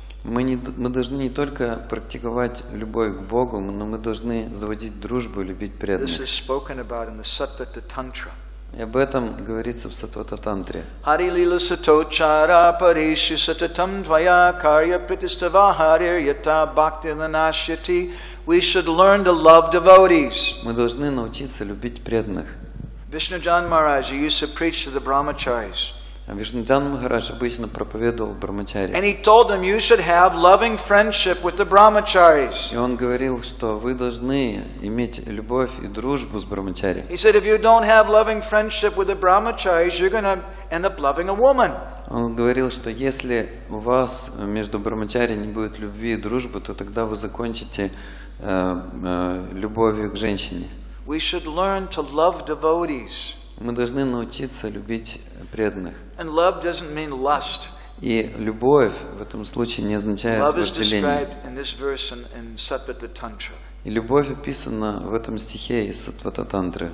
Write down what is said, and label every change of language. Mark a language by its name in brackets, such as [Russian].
[Russian] Мы должны не только практиковать любовь к Богу, но мы должны заводить дружбу и любить преданных. [English] This is spoken about in the Satvata Tantra. [Russian] И об этом говорится в Сатвата Тантре. [Sanskrit] Hari lila satochara parishu satatam dvaya karya pritistava harir yata bhakti nanashyati. [English] We should learn to love devotees. [Russian] Мы должны научиться любить преданных. [English] Vishnujan Maharaj used to preach to the brahmacharis. [Russian] Вишнуджан Махарадж обычно проповедовал брахмачари. [English] And he told them you should have loving friendship with the brahmacharis. [Russian] И он говорил, что вы должны иметь любовь и дружбу с брахмачари. [English] He said if you don't have loving friendship with the brahmacharis, you're going to end up loving a woman. [Russian] Он говорил, что если у вас между брахмачари не будет любви и дружбы, то тогда вы закончите любовью к женщине. [English] We should learn to love devotees. [Russian] Мы должны научиться любить преданных. [English] And love doesn't mean lust. [Russian] И любовь в этом случае не означает вожделение. [English] Love is described in this verse in Satvata Tantra. [Russian] И любовь описана в этом стихе из Сатвата Тантры.